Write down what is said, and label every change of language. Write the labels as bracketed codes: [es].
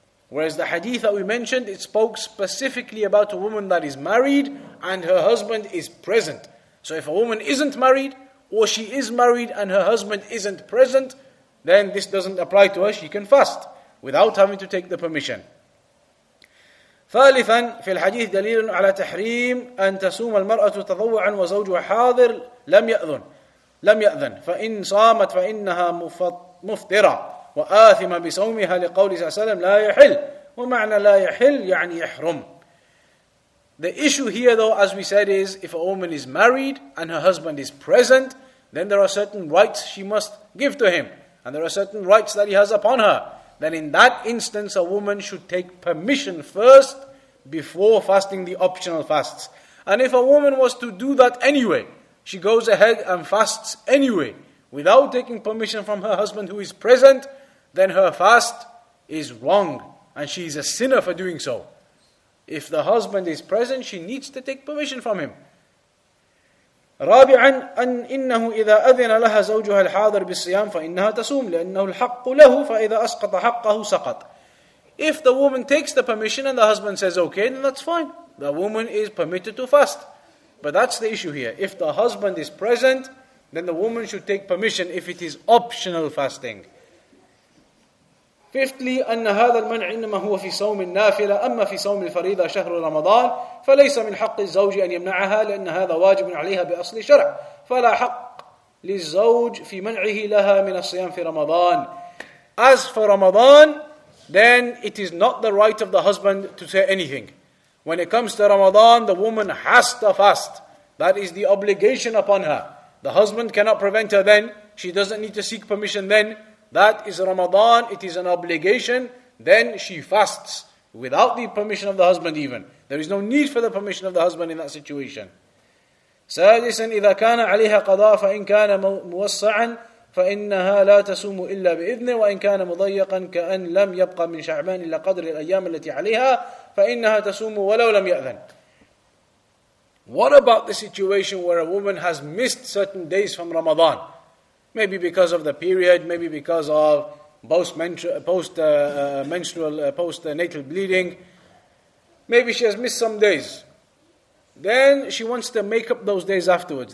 [en] Whereas the hadith that we mentioned, it spoke specifically about a woman that is married and her husband is present. So if a woman isn't married, or she is married and her husband isn't present, then this doesn't apply to her. She can fast without having to take the permission. [ar] ثالثا في الحديث دليل على تحريم أن تسوم المرأة تطوعا وزوجها حاضر لم يأذن فإن صامت فإنها مفطرة وآثمة بصومها لقول صلى الله عليه وسلم لا يحل ومعنى لا يحل يعني يحرم. [en] The issue here though, as we said, is if a woman is married and her husband is present, then there are certain rights she must give to him and there are certain rights that he has upon her. Then in that instance, a woman should take permission first before fasting the optional fasts. And if a woman was to do that anyway, she goes ahead and fasts anyway, without taking permission from her husband who is present, then her fast is wrong, and she is a sinner for doing so. If the husband is present, she needs to take permission from him. [ar] رابعا أن إنه إذا أذن لها زوجها الحاضر بالصيام فإنها تصوم لأنه الحق له فإذا أسقط حقه سقط. [en] If the woman takes the permission and the husband says okay, then that's fine. The woman is permitted to fast. But that's the issue here. If the husband is present, then the woman should take permission if it is optional fasting. Fifthly, [ar] أن هذا المنع إنما هو في صوم النافلة أما في صوم الفريضة شهر رمضان فليس من حق الزوج أن يمنعها لأن هذا واجب عليها بأصل شرع فلا حق للزوج في منعه لها من الصيام في رمضان. [en] As for Ramadan, then it is not the right of the husband to say anything. When it comes to Ramadan, the woman has to fast. That is the obligation upon her. The husband cannot prevent her then. She doesn't need to seek permission then. That is Ramadan, it is an obligation, then she fasts without the permission of the husband even. There is no need for the permission of the husband in that situation. [ar] سادسا إذا كان عليها قضاء فإن كان موسعا فإنها لا تصوم إلا بإذنه وإن كان مضيقا كأن لم يبقى من شعبان إلا قدر الأيام التي عليها فإنها تصوم ولو لم يأذن. [en] What about the situation where a woman has missed certain days from Ramadan? Maybe because of the period, maybe because of postnatal bleeding. Maybe she has missed some days. Then she wants to make up those days afterwards.